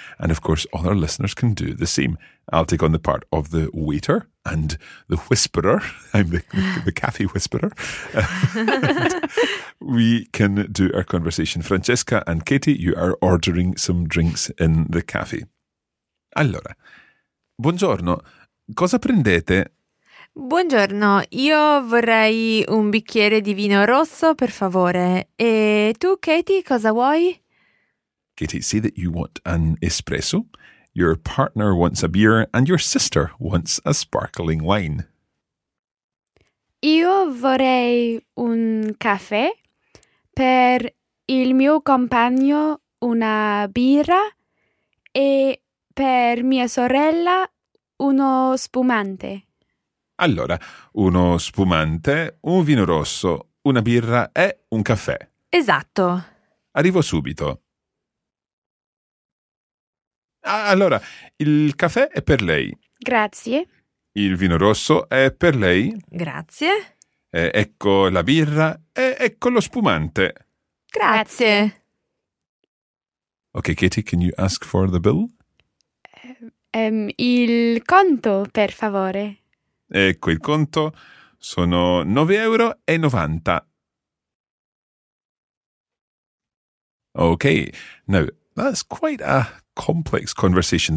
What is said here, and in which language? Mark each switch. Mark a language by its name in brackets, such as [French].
[English] And of course, all our listeners can do the same. I'll take on the part of the waiter and the whisperer. I'm the cafe whisperer. We can do our conversation. Francesca and Katie, you are ordering some drinks in the cafe. [Italian] Allora, buongiorno, cosa prendete? Buongiorno, io vorrei un bicchiere di vino rosso, per favore. E tu, Katie, cosa vuoi? [English] Katie, say that you want an espresso. Your partner wants a beer and your sister wants a sparkling wine. [Italian] Io vorrei un caffè, per il mio compagno una birra e per mia sorella uno spumante. Allora, uno spumante, un vino rosso, una birra e un caffè. Esatto. Arrivo subito. Allora, il caffè è per lei. Grazie. Il vino rosso è per lei. Grazie. Ecco la birra e ecco lo spumante. Grazie. [English] Ok, Katie, can you ask for the bill? [Italian] Il conto, per favore. Ecco il conto, sono 9,90 euro. [English] Okay, now that's quite a complex conversation.